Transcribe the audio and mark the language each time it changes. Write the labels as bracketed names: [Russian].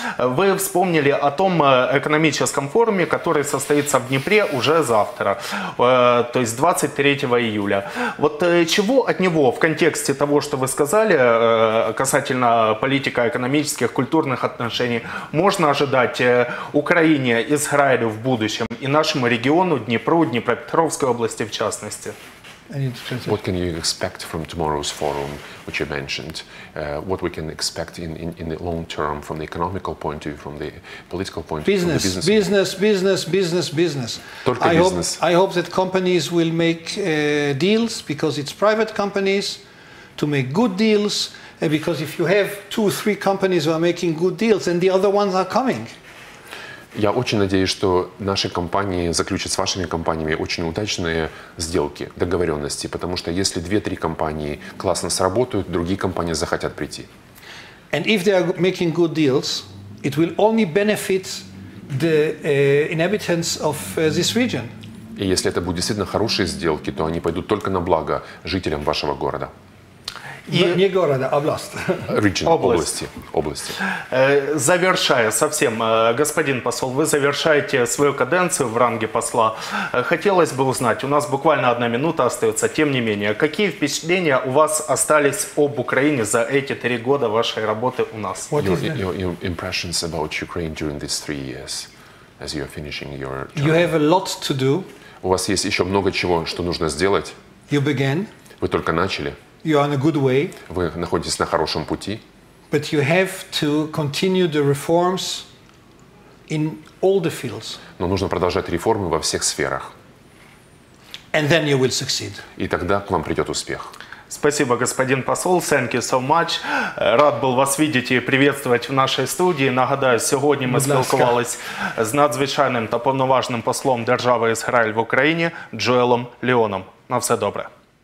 [Russian] Вы вспомнили о том экономическом форуме, который состоится в Днепре уже завтра, то есть 23 июля. Вот чего от него в контексте того, что вы сказали, касательно политика экономических, культурных отношений, можно ожидать Украине, Израилю в будущем и нашему региону, Днепру, Днепропетровской области в частности? [English] What can you expect from tomorrow's forum, which you mentioned? What we can expect in the long term from the economical point of view, from the political point of view? Business. I hope that companies will make deals, because it's private companies, to make good deals. Because if you have two or three companies who are making good deals, then the other ones are coming. [Russian] Я очень надеюсь, что наши компании заключат с вашими компаниями очень удачные сделки, договоренности, потому что если 2-3 компании классно сработают, другие компании захотят прийти. [English] And if they are making good deals, it will only benefit the inhabitants of this region. [Russian] И если это будут действительно хорошие сделки, то они пойдут только на благо жителям вашего города. И... Не города, область. Region, области. Области. Завершая совсем, господин посол, вы завершаете свою каденцию в ранге посла. Хотелось бы узнать, у нас буквально одна минута остается, тем не менее, какие впечатления у вас остались об Украине за эти 3 года вашей работы у нас? [English] Your impressions about Ukraine during these 3 years, as you're finishing your job? You have a lot to do. [Russian] У вас есть еще много чего, что нужно сделать. [English] You began. [Russian] Вы только начали. [English] You are on a good way. [Russian] Вы находитесь на хорошем пути. [English] But you have to continue the reforms in all the fields. [Russian] Но нужно продолжать реформы во всех сферах. [English] And then you will succeed. [Russian] И тогда к вам придет успех. Спасибо, господин посол. [English] Thank you so much. [Russian] Рад был вас видеть и приветствовать в нашей студии. [Ukrainian] Нагадаю, [Russian] сегодня мы [Ukrainian] спілкувались с надзвичайним та повноважним послом Держави Ізраїль в Україні Джоелом Леоном. На все добре.